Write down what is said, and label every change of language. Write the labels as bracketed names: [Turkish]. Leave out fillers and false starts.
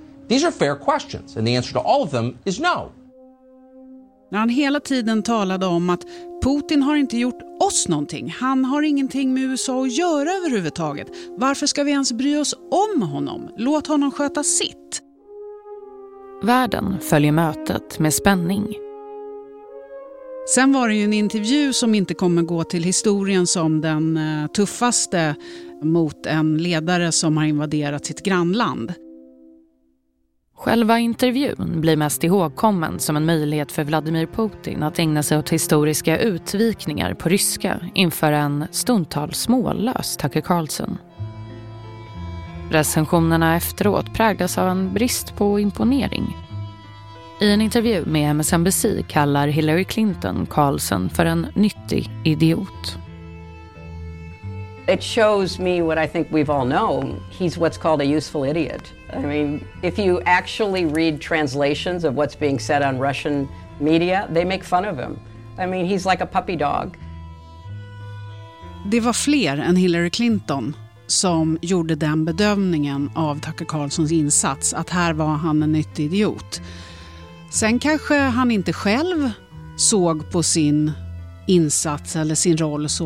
[English] These are fair questions and the answer to all of them is no. [Swedish] När han hela tiden talade om att Putin har inte gjort oss någonting. Han har ingenting med USA att göra överhuvudtaget. Varför ska vi ens bry oss om honom? Låt honom sköta sitt. Världen följer mötet med spänning. Sen var det ju en intervju som inte kommer gå till historien som den tuffaste mot en ledare som har invaderat sitt grannland. Själva intervjun blir mest ihågkommen som en möjlighet för Vladimir Putin att ägna sig åt historiska utvikningar på ryska inför en stundtals mållös Tucker Carlson. Recensionerna efteråt präglas av en brist på imponering. I en intervju med MSNBC kallar Hillary Clinton Carlson för en nyttig idiot. [English] It shows me what I think we've all known. He's what's called a useful idiot. I mean, if you actually read translations of what's being said on Russian media, they make fun of him. I mean, he's like a puppy dog. [Swedish] Det var fler än Hillary Clinton som gjorde den bedömningen av Tucker Carlsons insats att här var han en nyttig idiot. Sen kanske han inte själv såg på sin insats eller sin roll så.